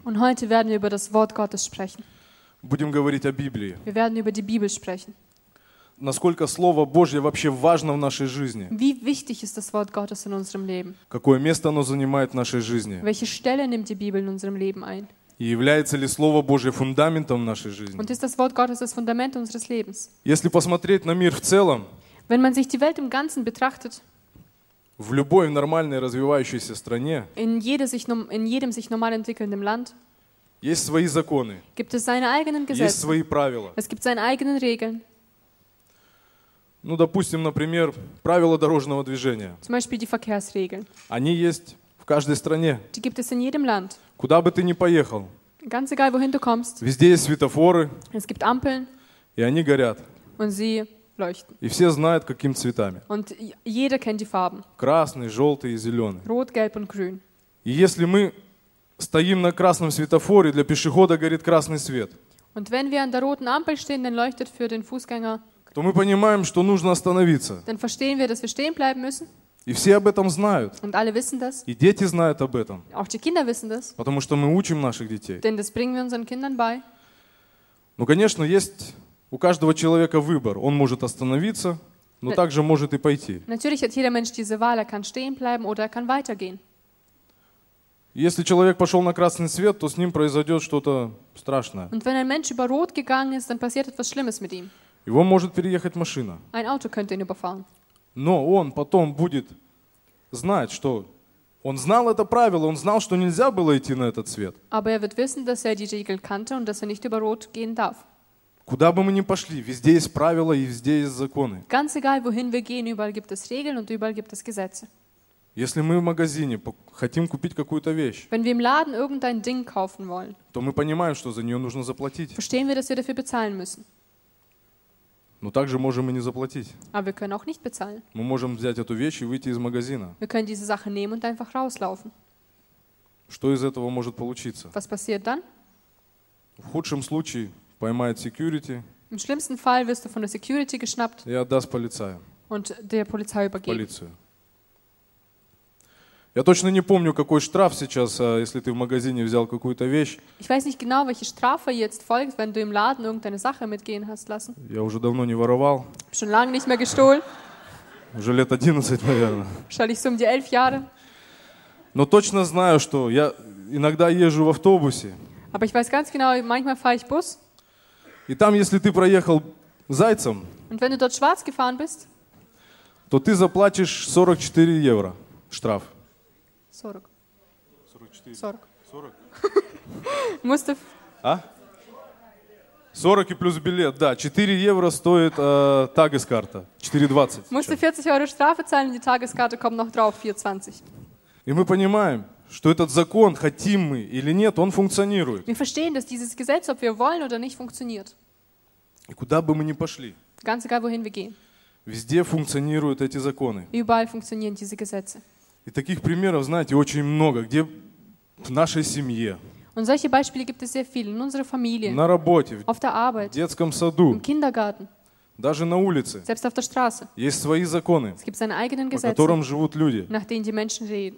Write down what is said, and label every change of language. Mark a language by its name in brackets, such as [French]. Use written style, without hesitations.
[German] Und heute werden wir über das Wort Gottes sprechen. [Russian] Будем говорить о Библии. [German] Wir werden über die Bibel sprechen. [Russian] Насколько Слово Божье вообще важно в нашей жизни? [German] Wie wichtig ist das Wort Gottes in unserem Leben? [Russian] Какое место оно занимает в нашей жизни? [German] Welche Stelle nimmt die Bibel in unserem Leben ein? [Russian] И является ли Слово Божье фундаментом нашей жизни? [German] Und ist das Wort Gottes das Fundament unseres Lebens? [Russian] Если посмотреть на мир в целом, [German] wenn man sich die Welt im Ganzen betrachtet, [Russian] в любой нормальной развивающейся стране, [German] in jedem sich normal entwickelnden Land, [Russian] есть свои законы, [German] gibt es seine eigenen Gesetze, [Russian] есть свои правила, [German] es gibt seine eigenen Regeln. [Russian] Ну, допустим, например, правила дорожного движения. [German] Zum Beispiel die Verkehrsregeln. [Russian] Они есть в каждой стране. [German] Die gibt es in jedem Land. [Russian] Куда бы ты ни поехал. [German] Ganz egal, wohin du kommst. [Russian] Везде есть светофоры. [German] Es gibt Ampeln. [Russian] И они горят. [German] Und sie leuchten. [Russian] И все знают, каким цветами. [German] Und jeder kennt die Farben. [Russian] Красный, желтый и зеленый. [German] Rot, gelb und grün. [Russian] И если мы стоим на красном светофоре, для пешехода горит красный свет. [German] Und wenn wir an der roten Ampel stehen, dann leuchtet für den Fußgänger [Russian] то мы понимаем, что нужно остановиться. [German] Dann verstehen wir, dass wir stehen bleiben müssen. [Russian] И все об этом знают. [German] Und alle wissen das. [Russian] И дети знают об этом. [German] Auch die Kinder wissen das. [Russian] Потому что мы учим наших детей. [German] Denn das bringen wir unseren Kindern bei. [Russian] Ну, конечно, есть у каждого человека выбор. Он может остановиться, но также может и пойти. [German] Natürlich hat jeder Mensch diese Wahl, er kann stehen bleiben oder er kann weitergehen. [Russian] Если человек пошел на красный свет, то с ним произойдет что-то страшное. [German] Und wenn ein Mensch über rot gegangen ist, dann passiert etwas Schlimmes mit ihm. [Russian] Его может переехать машина. [German] Ein Auto könnte ihn überfahren. [Russian] Но он потом будет знать, что он знал это правило, он знал, что нельзя было идти на этот свет. [German] Aber er wird wissen, dass er die Regeln kannte und dass er nicht über rot gehen darf. [Russian] Куда бы мы ни пошли, везде есть правила и везде есть законы. [German] Ganz egal, wohin wir gehen, überall gibt es Regeln und überall gibt es Gesetze. [Russian] Если мы в магазине хотим купить какую-то вещь, [German] wenn wir im Laden irgendein Ding kaufen wollen, [Russian] то мы понимаем, что за нее нужно заплатить. [German] Verstehen wir, dass wir dafür bezahlen müssen. [Russian] Но также можем и не заплатить. [German] Aber wir können auch nicht bezahlen. [Russian] Мы можем взять эту вещь и выйти из магазина. [German] Wir können diese Sache nehmen und einfach rauslaufen. [Russian] Что из этого может получиться? [German] Was passiert dann? [Russian] В худшем случае поймает security. [German] Im schlimmsten Fall wirst du von der Security geschnappt. [Russian] И отдаст полицаю. [German] Und der Polizei übergeben. [Russian] Полицию. Я точно не помню, какой штраф сейчас, если ты в магазине взял какую-то вещь. [German] Ich weiß nicht genau, welche Strafe jetzt folgt, wenn du im Laden irgendeine Sache mitgehen hast lassen. [Russian] Я уже давно не воровал. [German] Schon lange nicht mehr gestohlen. [Russian] Уже лет 11, наверное. [German] Wahrscheinlich so um die 11 Jahre. [Russian] Но точно знаю, что я иногда езжу в автобусе. [German] Aber ich weiß ganz genau, manchmal fahre ich Bus. [Russian] И там, если ты проехал зайцем, [German] und wenn du dort schwarz gefahren bist, [Russian] то ты заплатишь 44 евро штраф. 40. 44. 40. 40. Мустаф. А? 40 и плюс билет, да. 4 евро стоит Tageskarte. 4,20. [German] Мустаф [Russian] 40 евро штрафы [German] zahlen, die Tageskarte kommt noch drauf, 4,20. [Russian] И мы понимаем, что этот закон, хотим мы или нет, он функционирует. [German] Wir verstehen, dass dieses Gesetz, ob wir wollen oder nicht, funktioniert. [Russian] И куда бы мы ни пошли. [German] Ganz egal, wohin wir gehen. [Russian] Везде функционируют эти законы. [German] Überall funktionieren diese Gesetze. [Russian] И таких примеров, знаете, очень много. Где в нашей семье? [German] Und solche Beispiele gibt es sehr viele in unserer Familie. [Russian] На работе. [German] Auf der Arbeit. [Russian] В детском саду. [German] Im Kindergarten. [Russian] Даже на улице. [German] Selbst auf der Straße. [Russian] Есть свои законы. [German] Es gibt seine eigenen Gesetze. [Russian] По которым живут люди. [German] Nach denen die Menschen leben.